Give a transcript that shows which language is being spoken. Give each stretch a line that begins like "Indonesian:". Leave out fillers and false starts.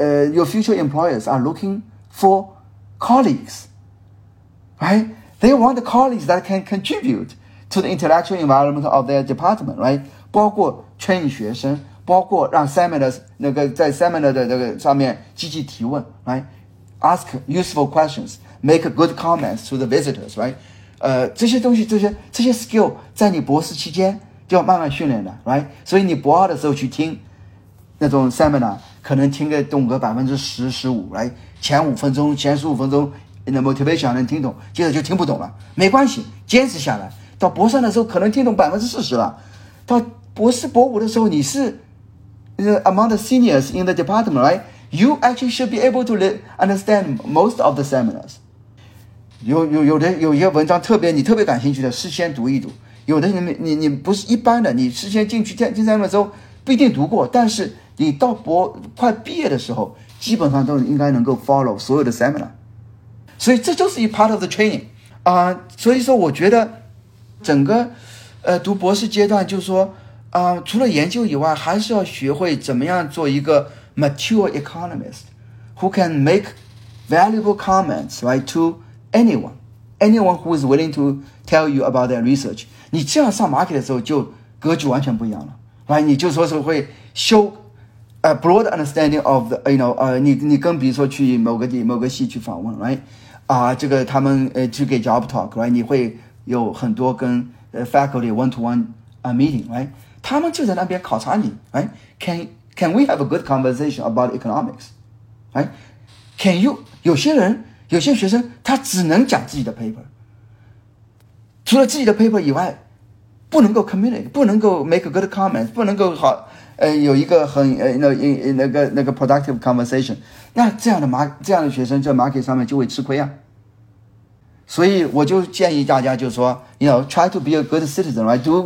English: Your future employers are looking for colleagues, right? They want the colleagues that can contribute to the intellectual environment of their department, right?
Chinese: 包括 train 学生，包括让 seminars, 那个在 seminar 的那个上面积极提问 right?
English: Ask useful questions, make good comments to the visitors, right?
Chinese: 这些东西，这些 skill 在你博士期间就要慢慢训练的 ，right？所以你博二的时候去听那种 seminar， 可能听个懂个10-15%， right？前15分钟，那 motivation 能听懂，接着就听不懂了，没关系，坚持下来。到博三的时候可能听懂40%了，到博四、博五的时候你是 among the seniors in the department， right？
English: You actually should be able to understand most of the seminars。
Chinese: 有一些文章特别感兴趣的，事先读一读。有的人你不是一般的，你事先进三个周不一定读过，但是你到博快毕业的时候基本上都应该能够 follow 所有的 seminar， 所以这就是一 part of the training 所以说我觉得整个读博士阶段就是说
English: 除了研究以外，还是要学会怎么样做一个 mature economist who can make valuable comments right to anyone who is willing to tell you about their research.
Chinese: 你这样上 market 的时候就格局完全不一样了， right? 你就说是会 show a broad understanding of the, you know, 你跟比如说去某个系去访问， right? 这个他们去给 job talk, right? 你会有很多跟faculty one-to-one meeting, right?
English: 他们就在那边考察你，Can we have a good conversation about economics? Can you?
Chinese: 有些人，有些学生，他只能讲自己的 paper， 除了自己的 paper 以外，不能够 communicate， 不能够 make a good comment，不能够好，有一个很那个 productive conversation。那这样的学生在 market 上面就会吃亏啊。
English: 所以我就建议大家，就是说，you know， try to be a good citizen， right？